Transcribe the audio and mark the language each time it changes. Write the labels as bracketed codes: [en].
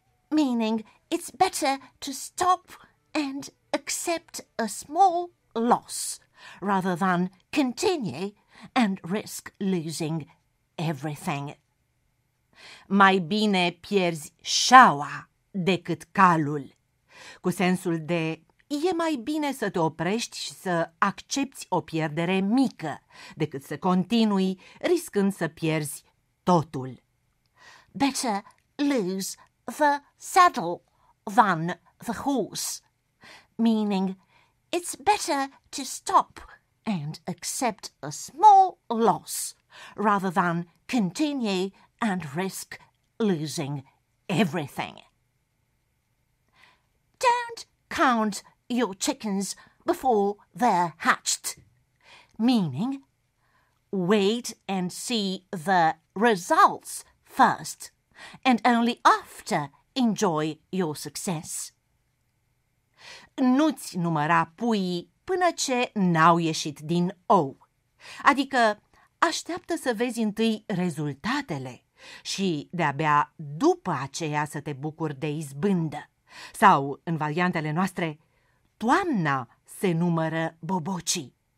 [en] Meaning, it's better to stop and accept a small loss rather than continue and risk losing everything. [ro] Mai bine pierzi șaua decât calul. Cu sensul de, e mai bine să te oprești și să accepti o pierdere mică decât să continui riscând să pierzi totul. [en] Better lose the saddle than the horse. Meaning, it's better to stop and accept a small loss rather than continue and risk losing everything. Don't count your chickens before they're hatched. Meaning, wait and see the results first and only after enjoy your success. [ro] Nu-ți număra puii până ce n-au ieșit din ou. Adică, așteaptă să vezi întâi rezultatele și de-abia după aceea să te bucuri de izbândă. Sau, în variantele noastre, toamna se numără bobocii.